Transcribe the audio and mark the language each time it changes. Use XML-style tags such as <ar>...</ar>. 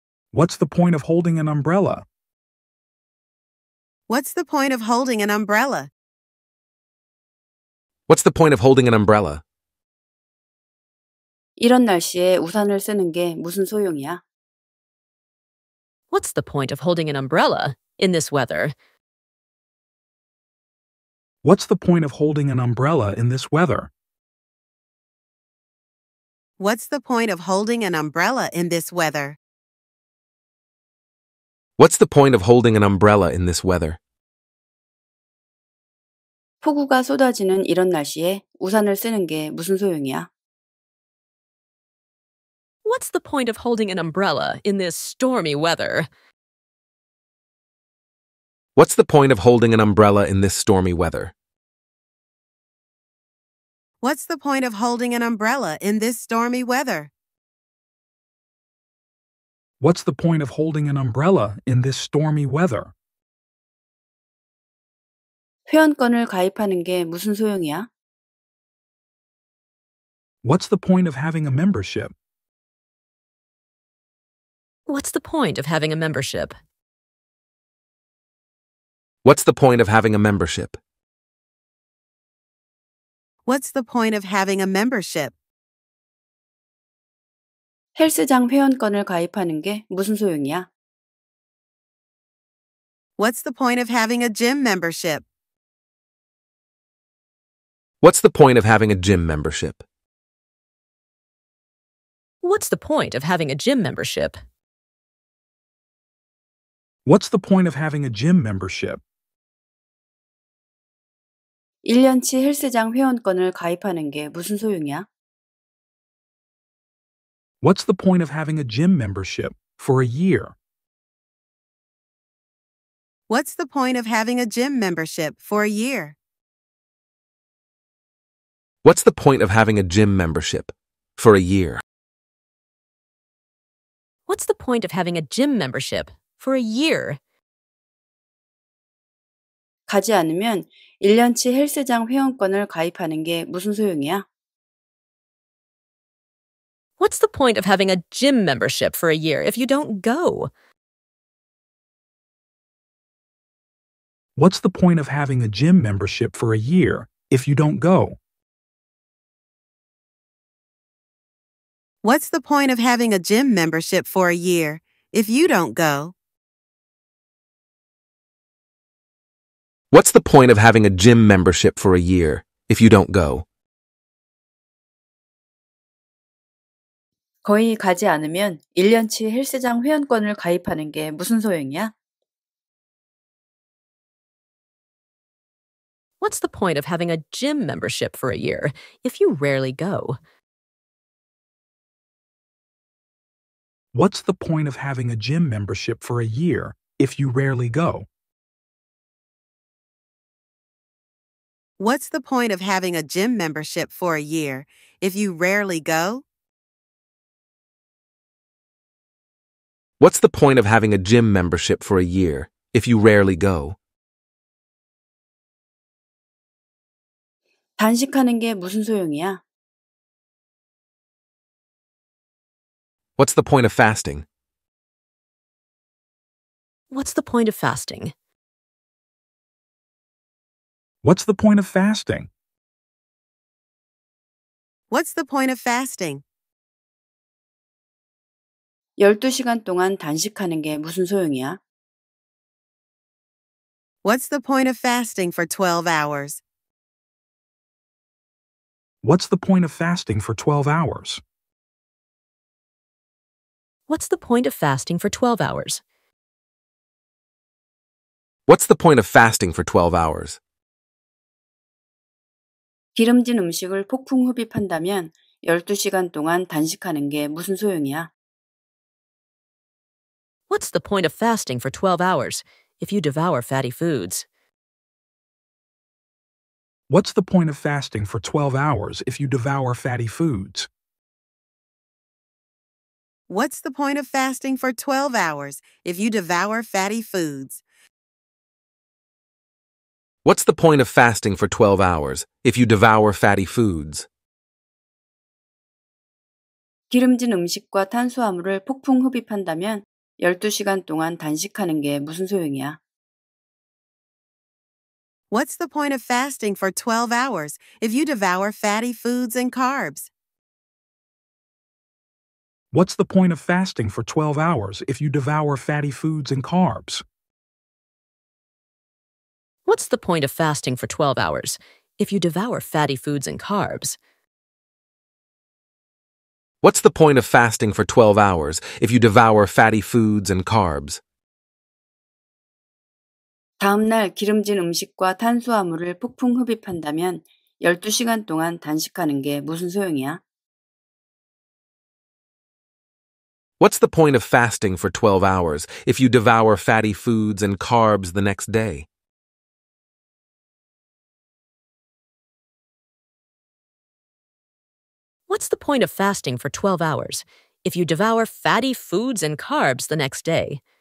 <en>What's the point of holding an umbrella? What's the point of holding an umbrella? What's the point of holding an umbrella?</en> <ko>이런 날씨에 우산을 쓰는 게 무슨 소용이야?</ko> <en>What's the point of holding an umbrella in this weather? What's the point of holding an umbrella in this weather? What's the point of holding an umbrella in this weather? What's the point of holding an umbrella in this weather?</en> <ko>폭우가 쏟아지는 이런 날씨에 우산을 쓰는 게 무슨 소용이야?</ko> <en>What's the point of holding an umbrella in this stormy weather? What's the point of holding an umbrella in this stormy weather? What's the point of holding an umbrella in this stormy weather? What's the point of holding an umbrella in this stormy weather?</en> <ko>회원권을 가입하는 게 무슨 소용이야?</ko> <en>What's the point of having a membership? What's the point of having a membership? What's the point of having a membership? What's the point of having a membership?</en> <ko>헬스장 회원권을 가입하는 게 무슨 소용이야?</ko> <en>What's the point of having a gym membership? What's the point of having a gym membership? What's the point of having a gym membership? What's the point of having a gym membership?</en> <ko>1년치 헬스장 회원권을 가입하는 게 무슨 소용이야?</ko> <en>What's the point of having a gym membership for a year? What's the point of having a gym membership for a year? What's the point of having a gym membership for a year? What's the point of having a gym membership for a year?</en> <ko>가지 않으면 1년치 헬스장 회원권을 가입하는 게 무슨 소용이야?</ko> <en>What's the point of having a gym membership for a year if you don't go? What's the point of having a gym membership for a year if you don't go? What's the point of having a gym membership for a year if you don't go? What's the point of having a gym membership for a year if you don't go?</en> <ko>거의 가지 않으면 1년치 헬스장 회원권을 가입하는 게 무슨 소용이야?</ko> <en>What's the point of having a gym membership for a year if you rarely go? What's the point of having a gym membership for a year if you rarely go? What's the point of having a gym membership for a year if you rarely go? What's the point of having a gym membership for a year if you rarely go?</en> <ko>단식하는 게 무슨 소용이야?</ko> <en>What's the point of fasting? What's the point of fasting? What's the point of fasting? What's the point of fasting?</en> <ko>12시간 동안 단식하는 게 무슨 소용이야?</ko> <en>What's the point of fasting for 12 hours? What's the point of fasting for 12 hours? What's the point of fasting for 12 hours? What's the point of fasting for 12 hours?</en> <ko>기름진 음식을 폭풍 흡입한다면 12시간 동안 단식하는 게 무슨 소용이야?</ko> <en>What's the point of fasting for 12 hours if you devour fatty foods? What's the point of fasting for 12 hours if you devour fatty foods? What's the point of fasting for 12 hours if you devour fatty foods? What's the point of fasting for 12 hours if you devour fatty foods?</en> <ko>기름진 음식과 탄수화물을 폭풍 흡입한다면 12시간 동안 단식하는 게 무슨 소용이야?</ko> <en>What's the point of fasting for 12 hours if you devour fatty foods and carbs? What's the point of fasting for 12 hours if you devour fatty foods and carbs? What's the point of fasting for 12 hours if you devour fatty foods and carbs? What's the point of fasting for 12 hours if you devour fatty foods and carbs?</en> <ko>다음 날 기름진 음식과 탄수화물을 폭풍 흡입한다면 12시간 동안 단식하는 게 무슨 소용이야?</ko> <en>What's the point of fasting for 12 hours if you devour fatty foods and carbs the next day? What's the point of fasting for 12 hours if you devour fatty foods and carbs the next day?</en>